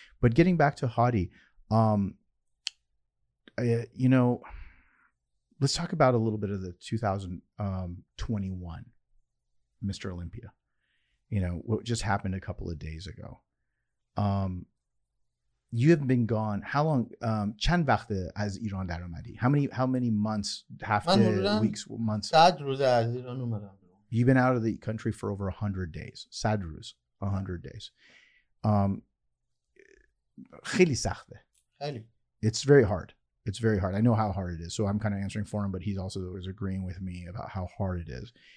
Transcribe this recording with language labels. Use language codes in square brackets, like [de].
[en] But getting back to Hadi, let's talk about a little bit of the 2021 Mr. Olympia. You know, what just happened a couple of days ago. You have been gone. How long? [fa] چند وقت از ایران در اومدی? [en] How many months, hafte, weeks, months? [fa] 100 روز از ایران اومدم. [en] You've been out of the country for over 100 days. Sadruz, 100 days. [fa] خیلی سخته. خیلی. [en] It's very hard. It's very hard. I know how hard it is. So I'm kind of answering for him, but he's also is agreeing with me about how hard it is.